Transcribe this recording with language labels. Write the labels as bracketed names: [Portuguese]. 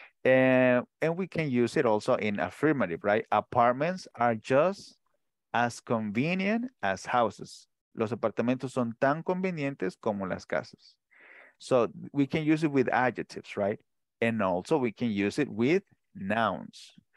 [English] And we can use it also in affirmative, right? Apartments are just as convenient as houses. [Spanish] Los apartamentos son tan convenientes como las casas. [English] So we can use it with adjectives, right? And also we can use it with nouns.